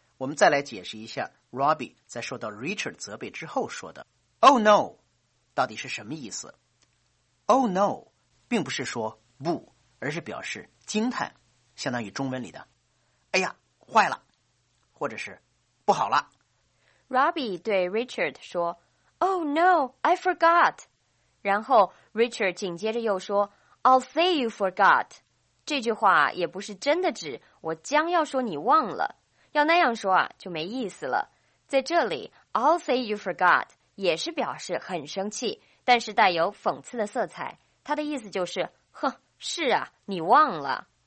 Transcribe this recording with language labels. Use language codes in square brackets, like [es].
[zh] 我们再来解释一下 Robbie 在受到 Richard 责备之后说的 Oh no 到底是什么意思。 Oh no 并不是说不，而是表示惊叹，相当于中文里的哎呀坏了，或者是不好了。 Robbie 对 Richard 说 [en] Oh no, I forgot. [zh] 然后 Richard 紧接着又说 [en] I'll say you forgot. [zh] 这句话也不是真的指我将要说你忘了，要那样说啊就没意思了。在这里 [en] I'll say you forgot [zh] 也是表示很生气，但是带有讽刺的色彩，他的意思就是哼，是啊，你忘了。